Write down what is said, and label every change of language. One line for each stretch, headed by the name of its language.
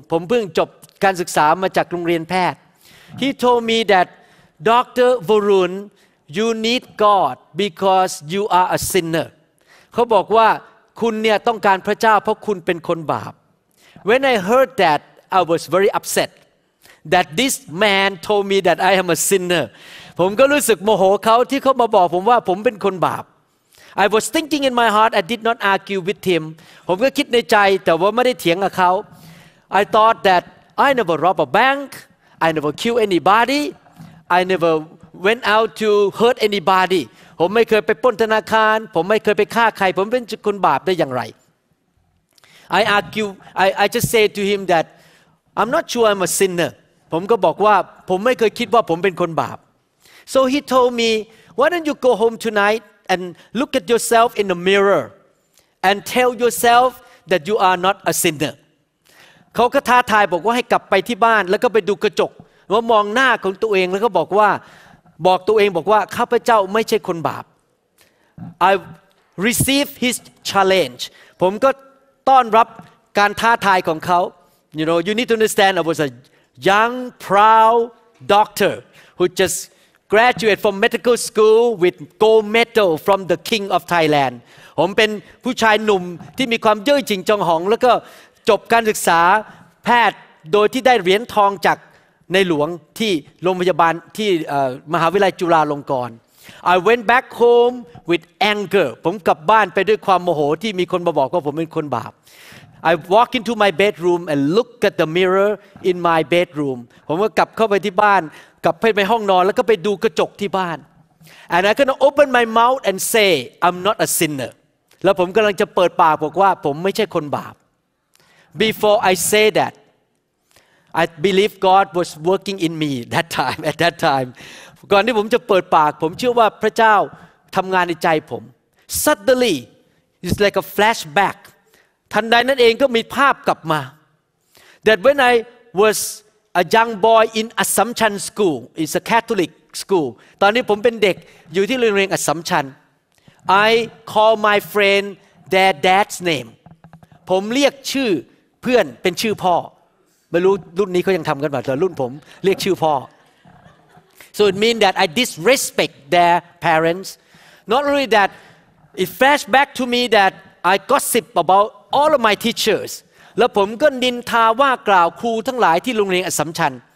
Thai: ผมเพิ่งจบการศึกษามาจากโรงเรียนแพทย์
English: He told me that Dr. Varun, you need God because you are a sinner.
Thai: เขาบอกว่าคุณเนี่ยต้องการพระเจ้าเพราะคุณเป็นคนบาป
English: When I heard that, I was very upset that this man told me that I am a sinner.
Thai: ผมก็รู้สึกโมโหเขาที่เขามาบอกผมว่าผมเป็นคนบาป
English: I was thinking in my heart. I did not argue with him.
Thai: ผมก็คิดในใจแต่ว่าไม่ได้เถียงกับเขา
English: I thought that I never robbed a bank. I never killed anybody. I never went out to hurt anybody.
Thai: ผมไม่เคยไปปล้นธนาคารผมไม่เคยไปฆ่าใครผมเป็นคนบาปได้อย่างไร
English: I argue. I just say to him that I'm not sure I'm a sinner.
Thai: ผมก็บอกว่าผมไม่เคยคิดว่าผมเป็นคนบาป
English: So he told me, "Why don't you go home tonight?" And look at yourself in the mirror, and tell yourself that you are not a sinner.
Thai: เขาก็ท้าทายบอกว่าให้กลับไปที่บ้านแล้วก็ไปดูกระจกว่ามองหน้าของตัวเองแล้วก็บอกว่าบอกตัวเองบอกว่าข้าพเจ้าไม่ใช่คนบาป
English: I received his challenge.
Thai: ผมก็ต้อนรับการท้าทายของเขา
English: You know, you need to understand. I was a young, proud doctor who just. Graduate from medical school with gold medal from the king of Thailand.
Thai: ผมเป็นผู้ชายหนุ่มที่มีความเย่อหยิ่งจองหองแล้วก็จบการศึกษาแพทย์โดยที่ได้เหรียญทองจากในหลวงที่โรงพยาบาลที่มหาวิทยาลัยจุฬาลงกรณ์
English: I went back home with anger.
Thai: ผมกลับบ้านไปด้วยความโมโหที่มีคนมาบอกว่าผมเป็นคนบาป
English: I walk into my bedroom and look at the mirror in my bedroom.
Thai: ผมก็กลับเข้าไปที่บ้านกลับไปในห้องนอนแล้วก็ไปดูกระจกที่บ้าน
English: and I gonna open my mouth and say I'm not a sinner
Thai: แล้วผมกำลังจะเปิดปากบอกว่าผมไม่ใช่คนบาป
English: before I say that I believe God was working in me that time at that time
Thai: ก่อนที่ผมจะเปิดปากผมเชื่อว่าพระเจ้าทำงานในใจผม
English: suddenly it's like a flashback
Thai: ทันใดนั้นเองก็มีภาพกลับมา
English: that when I wasA young boy in Assumption School. It's a Catholic school.
Thai: ตอนนี้ผมเป็นเด็กอยู่ที่โรงเรียน Assumption.
English: I call my friend their dad's name.
Thai: ผมเรียกชื่อ เพื่อนเป็นชื่อพ่อไม่รู้รุ่นนี้เขายังทำกันไหมแต่รุ่นผมเรียกชื่อพ่อ
English: so it means that I disrespect their parents not only that it flashed back to me that I gossip about all of my teachers
Thai: แล้วผมก็นินทาว่ากล่าวครูทั้งหลายที่โรงเรียนอัสสัมชัญ